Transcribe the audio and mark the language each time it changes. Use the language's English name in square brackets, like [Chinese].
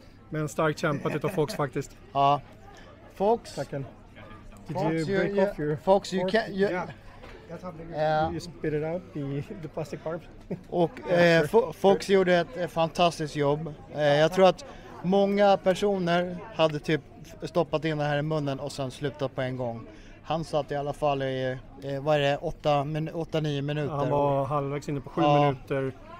[Swedish] Men starkt kämpat utav Fox faktiskt. Ja. Fox. Tacken. [English] Did Fox, you break off your Fox, you can't. Yeah. You spit it out, the plastic barb. [Swedish] Och Fox gjorde ett fantastiskt jobb. Jag tror att många personer hade typ stoppat in det här i munnen och sen slutat på en gång. Han satt i alla fall i, vad är det, 8-9 minuter. Han var halvvägs inne på 7 minuter.